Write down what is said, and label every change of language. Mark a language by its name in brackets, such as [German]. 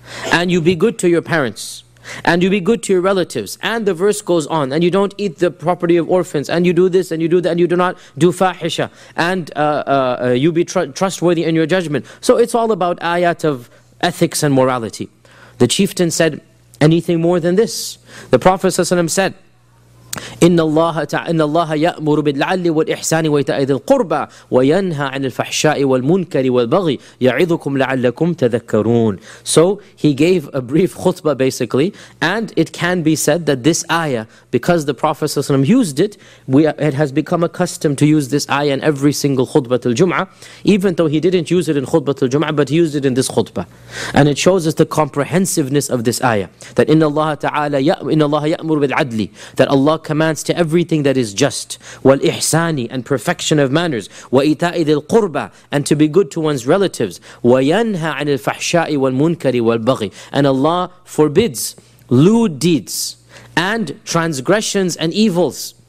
[English] And you be good to your parents, and you be good to your relatives, and the verse goes on, and you don't eat the property of orphans, and you do this, and you do that, and you do not do fahisha, and you be trustworthy in your judgment. So it's all about ayat of ethics and morality. The chieftain said, anything more than this? The Prophet ﷺ said, [Arabic] إن الله يأمر بالعدل والإحسان وإيتاء ذي القربى وينهى عن الفحشاء والمنكر والبغي يعظكم لعلكم تذكرون. [English] So he gave a brief khutbah basically, and it can be said that this ayah, because the Prophet ﷺ used it, it has become accustomed to use this ayah in every single khutbah al-jum'ah, even though he didn't use it in khutbah al-jum'ah, but he used it in this khutbah. And it shows us the comprehensiveness of this ayah, that [Arabic] إن الله تعالى إن الله يأمر بالعدل, [English] that Allah commands to everything that is just, [Arabic] والإحسان [English] and perfection of manners, [Arabic] وإيتاء ذي القربى [English] and to be good to one's relatives, [Arabic] وينهى عن الفحشاء والمنكر والبغي, [English] and Allah forbids lewd deeds and transgressions and evils.